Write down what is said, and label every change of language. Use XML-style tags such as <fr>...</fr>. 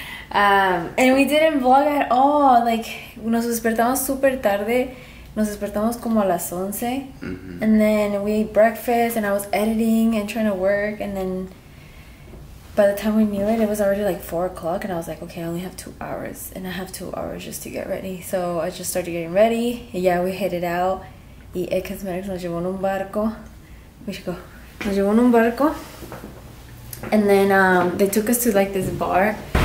<en>And we didn't vlog at all. Like,</en> <es>nos despertamos super tarde. Nos despertamos como a las 11. Mm-hmm.</es> <en>And then we ate breakfast and I was editing and trying to work. And then by the time we knew it, it was already like 4 o'clock. And I was like, okay, I only have 2 hours. And I have 2 hours just to get ready. So I just started getting ready. Yeah, we headed out.</en> <es>Y el cosmetics nos llevó en un barco. México. Nos llevó en un barco.</es> <en>And then they took us to like this bar.</en>